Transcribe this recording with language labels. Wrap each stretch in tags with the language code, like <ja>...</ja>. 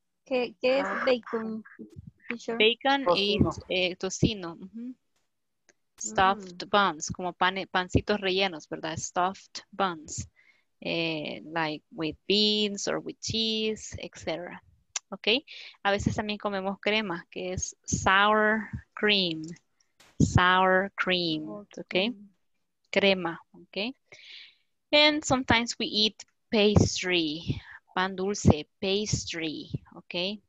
<es>¿Qué es bacon?</es> <en>Bacon is tocino. Stuffed buns,</en> <es>como pancitos rellenos, ¿verdad?</es> <en>Stuffed buns, like with beans or with cheese, etc. Okay?</en> <es>A veces también comemos crema, que es</es> <en>sour cream. Sour cream, okay? Crema, okay? And sometimes we eat pastry, pan dulce, pastry, okay?</en>